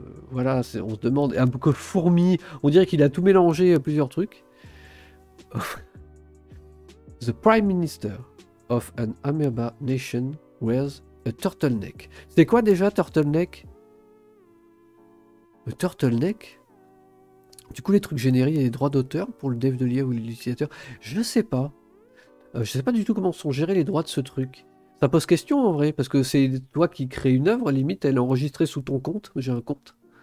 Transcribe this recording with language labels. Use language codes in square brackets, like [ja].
[fr] Voilà, c'est, on se demande un peu comme fourmi. On dirait qu'il a tout mélangé plusieurs trucs. [en] The Prime Minister of an Amoeba Nation wears a turtleneck. [fr] C'est quoi déjà turtleneck? A turtleneck? Du coup, les trucs générés, il y a des droits d'auteur pour le dev de l'IA ou l'utilisateur. Je ne sais pas. Je sais pas du tout comment sont gérés les droits de ce truc. Ça pose question en vrai, parce que c'est toi qui crée une œuvre, limite, elle est enregistrée sous ton compte. J'ai un compte.